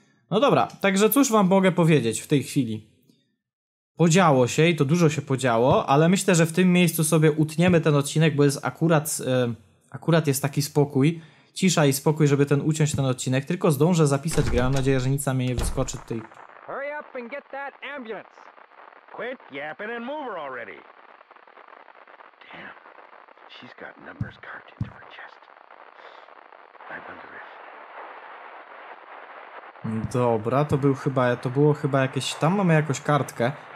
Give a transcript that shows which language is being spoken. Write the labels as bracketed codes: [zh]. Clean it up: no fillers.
[pl] No dobra, także cóż wam mogę powiedzieć w tej chwili? Podziało się i to dużo się podziało, ale myślę, że w tym miejscu sobie utniemy ten odcinek, bo jest akurat jest taki spokój, cisza i spokój, żeby ten uciąć ten odcinek. Tylko zdążę zapisać grę, mam nadzieję, że nic na mnie nie wyskoczy tutaj. [en] Hurry up and get that ambulance. Quit yapping and move her already. Damn, she's got numbers carved into her chest. I wonder if... [pl] Dobra, to było chyba jakieś... Tam mamy jakąś kartkę.